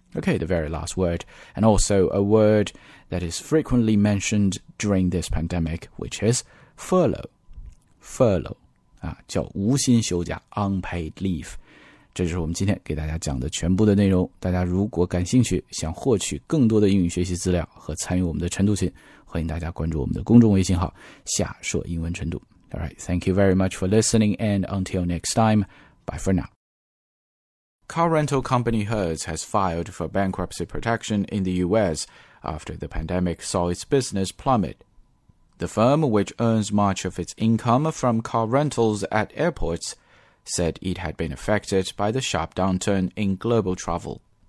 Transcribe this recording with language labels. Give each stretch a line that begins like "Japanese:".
English: OK, the very last word, and also a word that is frequently mentioned during this pandemic, which is furlough.
Chinese: Furlough, 啊，叫无薪休假
English: unpaid leave.
Chinese: 这就是我们今天给大家讲的全部的内容。大家如果感兴趣，想获取更多的英语学习资料和参与我们的晨读群，欢迎大家关注我们的公众微信号下说英文晨读。
English: All right, thank you very much for listening, and until next time, bye for now. Car rental company Hertz has filed for bankruptcy protection in the U.S. after the pandemic saw its business plummet. The firm, which earns much of its income from car rentals at airports, said it had been affected by the sharp downturn in global travel.